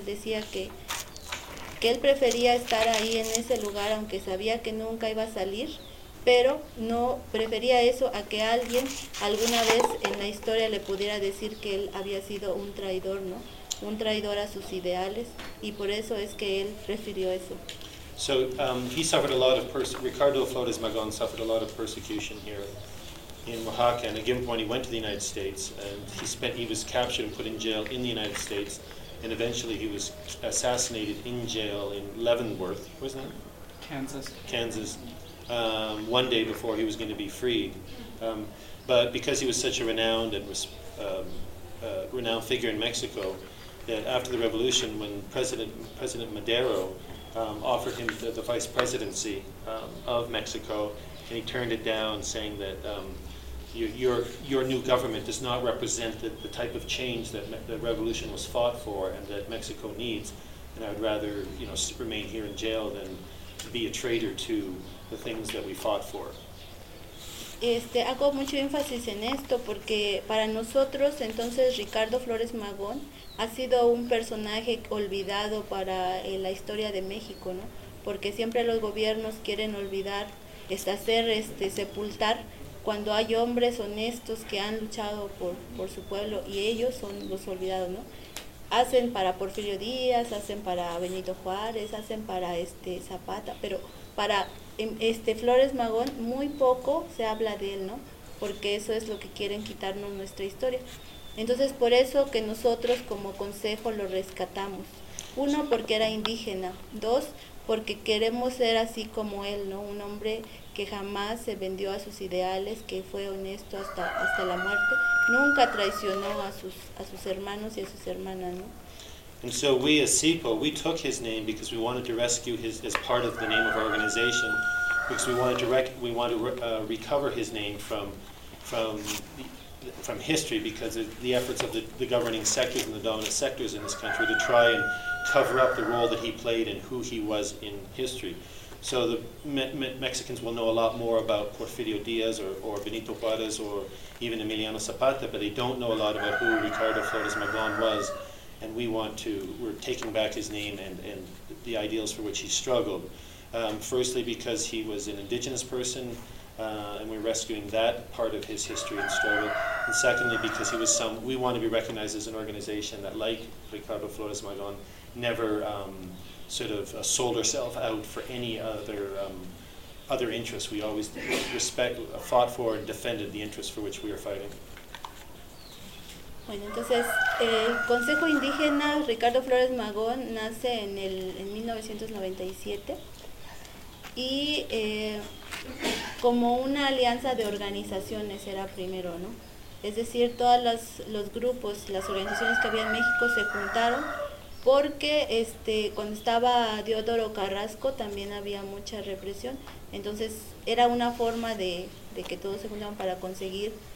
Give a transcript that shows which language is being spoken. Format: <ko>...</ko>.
<es>Él decía que él prefería estar ahí en ese lugar, aunque sabía que nunca iba a salir, pero no prefería eso a que alguien alguna vez en la historia le pudiera decir que él había sido un traidor, ¿no? Un traidor a sus ideales, y por eso es que él prefirió eso.</es> <en>So he suffered a lot of Ricardo Flores Magón suffered a lot of persecution here in Oaxaca, and at a given point he went to the United States, and he was captured and put in jail in the United States, and eventually he was assassinated in jail in Leavenworth, wasn't it? Kansas. One day before he was going to be freed. But because he was such a renowned and was renowned figure in Mexico, that after the revolution, when President Madero offered him the vice presidency of Mexico, and he turned it down, saying that your new government does not represent the type of change that the revolution was fought for and that Mexico needs, and I would rather remain here in jail than be a traitor to the things that we fought for.</en> <es>Hago mucho énfasis en esto porque para nosotros entonces Ricardo Flores Magón ha sido un personaje olvidado para la historia de México, ¿no? Porque siempre los gobiernos quieren olvidar, sepultar cuando hay hombres honestos que han luchado por su pueblo y ellos son los olvidados, ¿no? Hacen para Porfirio Díaz, hacen para Benito Juárez, hacen para Zapata, pero para Flores Magón muy poco se habla de él, ¿no? Porque eso es lo que quieren quitarnos nuestra historia. Entonces, por eso que nosotros como consejo lo rescatamos. Uno, porque era indígena. Dos, porque queremos ser así como él, ¿no? Un hombre que jamás se vendió a sus ideales, que fue honesto hasta la muerte. Nunca traicionó a sus hermanos y a sus hermanas, ¿no?</es> <en>And so we as SIPO, we took his name because we wanted to rescue his, as part of the name of our organization, because we wanted to recover his name from history, because of the efforts of the governing sectors and the dominant sectors in this country to try and cover up the role that he played and who he was in history. So the Mexicans will know a lot more about Porfirio Díaz or Benito Juárez or even Emiliano Zapata, but they don't know a lot about who Ricardo Flores Magón was. And we're taking back his name and the ideals for which he struggled. Firstly, because he was an indigenous person, and we're rescuing that part of his history and struggle. And secondly, because we want to be recognized as an organization that, like Ricardo Flores Magón, never sold ourselves out for any other interests. We always fought for and defended the interests for which we are fighting.</en> <es>Bueno, entonces, el Consejo Indígena Ricardo Flores Magón nace en 1997 y como una alianza de organizaciones era primero, ¿no? Es decir, todos los grupos, las organizaciones que había en México se juntaron porque cuando estaba Diodoro Carrasco también había mucha represión. Entonces, era una forma de que todos se juntaban para conseguir</es>